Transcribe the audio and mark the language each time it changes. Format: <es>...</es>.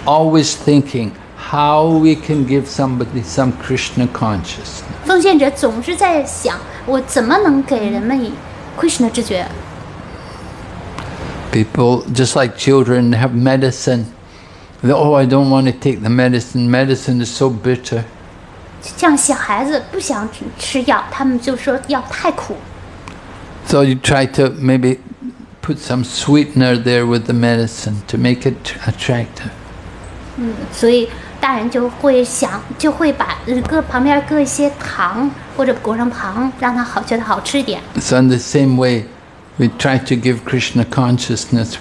<en>But always thinking how we can give somebody some Krishna consciousness.</en> <zh>奉献者总是在想，我怎么能给人们Krishna知觉。</zh> <en>People, just like children, have medicine. Oh, I don't want to take the medicine. Medicine is so bitter.</en> <zh>像小孩子不想吃药，他们就说药太苦。So</zh> <en>you try to maybe put some sweetener there with the medicine to make it attractive.</en> <zh>所以大人就会想，就会把旁边搁一些糖或者裹上糖，让他觉得好吃一点。So</zh> <en>in the same way, we try to give Krishna consciousness.</en>